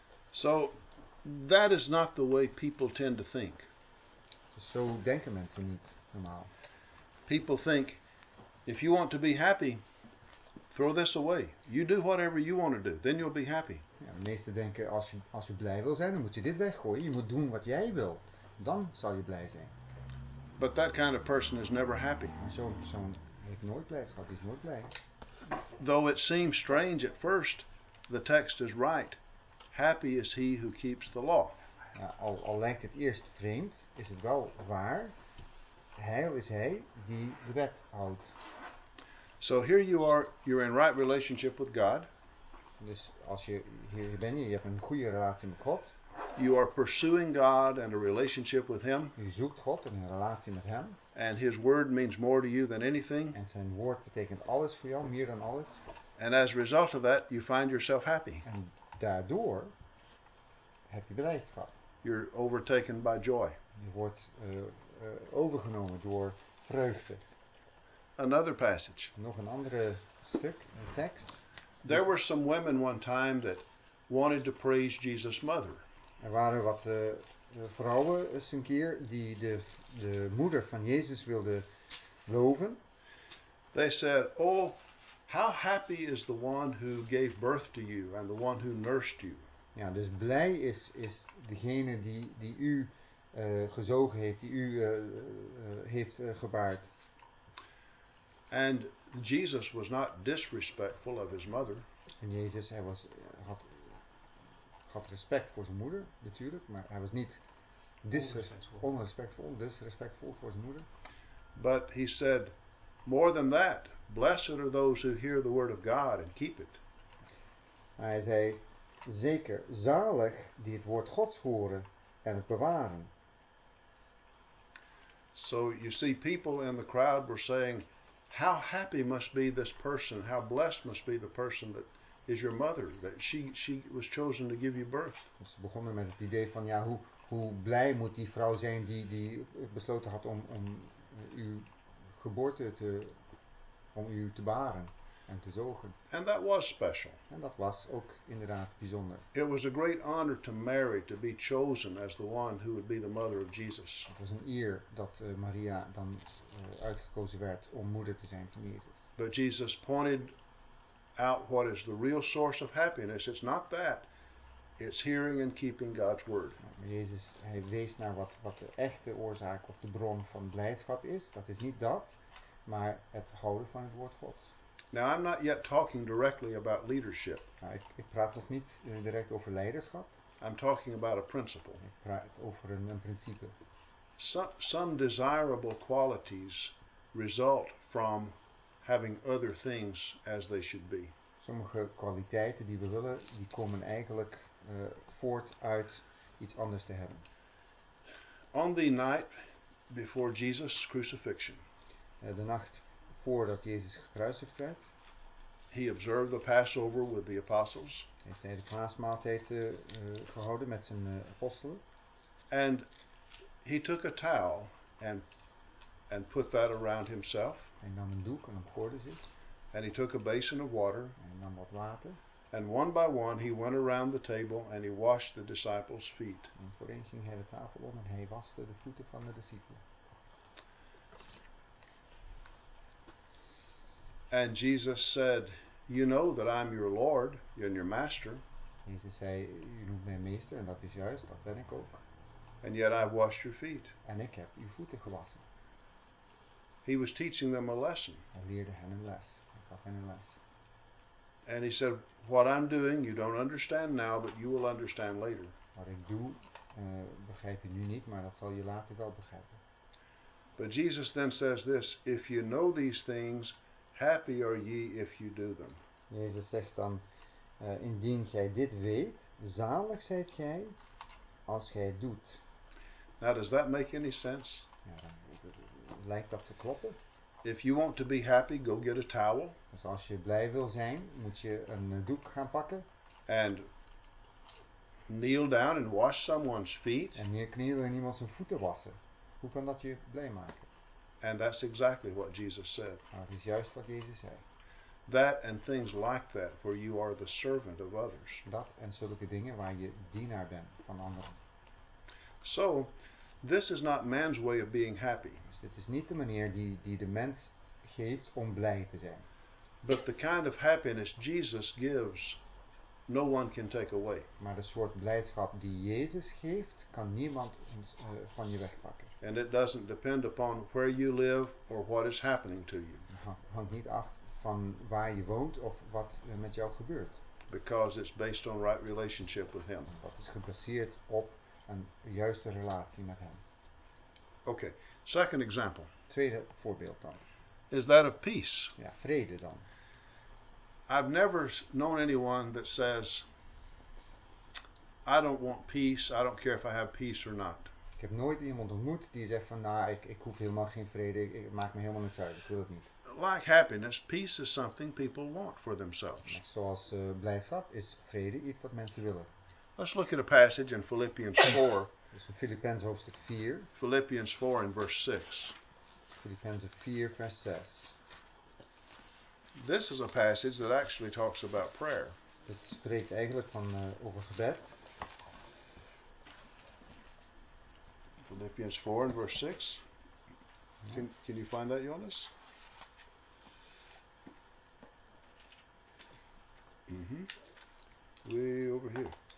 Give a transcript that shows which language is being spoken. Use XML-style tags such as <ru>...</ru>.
<en>So, that is not the way people tend to think.</en> <nl>Dus zo denken mensen niet normaal.</nl> <en>People think, if you want to be happy, throw this away. You do whatever you want to do. Then you'll be happy.</en> <nl>Ja, de meeste denken, als je blij wil zijn, dan moet je dit weggooien. Je moet doen wat jij wil. Dan zal je blij zijn.</nl> <en>But that kind of person is never happy.</en> <nl>Zo'n persoon heeft nooit blijdschap. Die is nooit blij.</nl> <en>Though it seems strange at first, the text is right. Happy is he who keeps the law.</en> <nl>Ja, al lijkt het eerst vreemd, is het wel waar. Heil is hij die de wet houdt.</nl> <en>So here you are, you're in right relationship with God.</en> <nl>Dus als je hier bent, je hebt een goede relatie met God.</nl> <en>You are pursuing God and a relationship with him.</en> <nl>Je zoekt God en een relatie met hem.</nl> <en>And his word means more to you than anything.</en> <nl>En zijn woord betekent alles voor jou, meer dan alles.</nl> <en>And as a result of that, you find yourself happy.</en> <nl>En daardoor heb je blijdschap.</nl> <en>You're overtaken by joy.</en> <nl>Je wordt overgenomen door vreugde.</nl> <en>Another passage.</en> <nl>Nog een andere stuk, een tekst.</nl> <en>There were some women one time that wanted to praise Jesus' mother.</en> <nl>Er waren wat vrouwen eens een keer die de moeder van Jezus wilden loven.</nl> <en>They said, oh, how happy is the one who gave birth to you and the one who nursed you.</en> <nl>Ja, dus blij is degene die u gezogen heeft, die u heeft gebaard.</nl> <en>And Jesus was not disrespectful of his mother.</en> <nl>En Jezus, hij had respect voor zijn moeder, natuurlijk, maar hij was niet disrespectful voor zijn moeder.</nl> <en>But he said, more than that, blessed are those who hear the word of God and keep it.</en> <nl>Hij zei, zeker zalig die het woord Gods horen en het bewaren.</nl> <en>So you see, people in the crowd were saying, how happy must be this person? How blessed must be the person that is your mother, that she was chosen to give you birth.</en> <nl>Ze begonnen met het idee van ja, hoe blij moet die vrouw zijn die besloten had om uw geboorte te om u te baren en te zorgen.</nl> <en>And that was special.</en> <nl>En dat was ook inderdaad bijzonder.</nl> <en>It was a great honor to Mary to be chosen as the one who would be the mother of Jesus.</en> <nl>Het was een eer dat Maria dan uitgekozen werd om moeder te zijn van Jezus.</nl> <en>But Jesus pointed out what is the real source of happiness. It's not that. It's hearing and keeping God's word.</en> <nl>Maar Jezus, hij wees naar wat de echte oorzaak of de bron van blijdschap is. Dat is niet dat, maar het houden van het woord Gods.</nl> <en>Now I'm not yet talking directly about leadership.</en> <nl>Ik praat nog niet direct over leiderschap.</nl> <en>I'm talking about a principle.</en> <nl>Ik praat over een principe.</nl> <en>Some desirable qualities result from having other things as they should be.</en> <nl>Sommige kwaliteiten die we willen, die komen eigenlijk voort uit iets anders te hebben.</nl> <en>On the night before Jesus' crucifixion.</en> <nl>De nacht voordat Jezus gekruisigd werd.</nl> <en>He observed the Passover with the apostles.</en> <nl>Heeft hij de paasmaaltijd gehouden met zijn apostelen.</nl> <en>And he took a towel and put that around himself.</en> <nl>Hij nam een doek en omgoorde zich.</nl> <en>And he took a basin of water.</en> <nl>En nam wat water.</nl> <en>And one by one he went around the table and he washed the disciples' feet.</en> <nl>En voor een ging hij de tafel om en hij waste de voeten van de discipelen.</nl> <en>And Jesus said, You know that I'm your Lord and your Master.</en> <nl>En ze zei, u noemt mij meester, en dat is juist, dat ben ik ook.</nl> <en>And yet I washed your feet.</en> <nl>En ik heb uw voeten gewassen.</nl> <en>He was teaching them a lesson.</en> <nl>Hij leerde hen een les. Hij gaf hen een les.</nl> <en>And he said, what I'm doing, you don't understand now, but you will understand later.</en> <nl>Wat ik doe, begrijp je nu niet, maar dat zal je later wel begrijpen.</nl> <en>But Jesus then says this, if you know these things, happy are ye if you do them.</en> <nl>Jezus zegt dan, indien jij dit weet, zalig zijt jij als jij het doet.</nl> <en>Now does that make any sense?</en> <nl>Ja, dan lijkt dat te kloppen.</nl> <en>If you want to be happy, go get a towel.</en> <nl>Dus als je blij wil zijn, moet je een doek gaan pakken.</nl> <en>And kneel down and wash someone's feet.</en> <nl>En neerknielen en iemand zijn voeten wassen. Hoe kan dat je blij maken?</nl> <en>And that's exactly what Jesus said.</en> <nl>Dat is juist wat Jezus zei.</nl> <en>That and things like that, where you are the servant of others.</en> <nl>Dat en zulke dingen waar je dienaar bent van anderen.</nl> <en>So, this is not man's way of being happy.</en> <nl>Dus dit is niet de manier die de mens geeft om blij te zijn.</nl> <en>But the kind of happiness Jesus gives, no one can take away.</en> <nl>Maar de soort blijdschap die Jezus geeft, kan niemand van je wegpakken.</nl> <en>And it doesn't depend upon where you live or what is happening to you.</en> <nl>Het hangt niet af van waar je woont of wat met jou gebeurt.</nl> <en>Because it's based on right relationship with Him.</en> <nl>Dat is gebaseerd op een juiste relatie met Hem.</nl> <en>Okay, second example.</en> <nl>Tweede voorbeeld dan.</nl> <en>Is that of peace?</en> <nl>Ja, vrede dan.</nl> <en>I've never known anyone that says, I don't want peace, I don't care if I have peace or not.</en> <nl>Ik heb nooit iemand ontmoet die zegt van, nou, ik hoef helemaal geen vrede, ik maak me helemaal niks uit, ik wil het niet.</nl> <en>Like happiness, peace is something people want for themselves.</en> <nl>Zoals blijdschap is vrede iets dat mensen willen.</nl> <en>Let's look at a passage in Philippians 4.</en> <nl>Dus in Filippenzen hoofdstuk 4.</nl> <en>Philippians 4 and verse 6. Philippians 4 verse 6. This is a passage that actually talks about prayer.</en> <nl>Het spreekt eigenlijk van over gebed.</nl> <en>Philippians 4 and verse 6. Can you find that, Jonas? Mm-hmm. Way over here.</en>